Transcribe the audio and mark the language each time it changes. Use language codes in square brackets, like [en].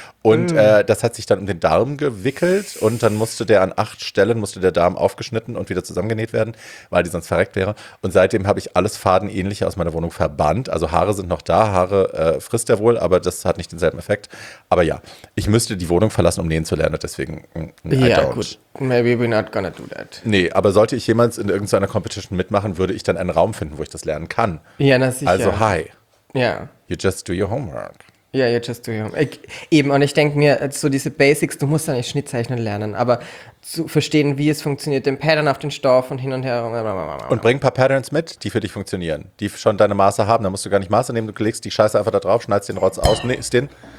[de] und das hat sich dann um den Darm gewickelt und dann musste der Darm aufgeschnitten und wieder zusammengenäht werden, weil die sonst verreckt wäre und seitdem habe ich alles Fadenähnliche aus meiner Wohnung verbannt, also Haare sind noch da, Haare frisst er wohl, aber das hat nicht denselben Effekt, aber ja, ich müsste die Wohnung verlassen, um nähen zu lernen, deswegen [en] gut, maybe we're not gonna do that. [de] Nee, aber sollte ich jemals in irgendeiner Competition mitmachen, würde ich dann einen Raum finden, wo ich das lernen kann. Ja, na sicher. Also, hi. Ja. [en] You just do your homework. Ja, you just do your homework. [de] Eben, und ich denke mir, so diese Basics, du musst ja nicht Schnittzeichnen lernen, aber zu verstehen, wie es funktioniert, den Pattern auf den Stoff und hin und her. Und bring ein paar Patterns mit, die für dich funktionieren, die schon deine Maße haben. Da musst du gar nicht Maße nehmen, du legst die Scheiße einfach da drauf, schneidest den Rotz aus, nähst den.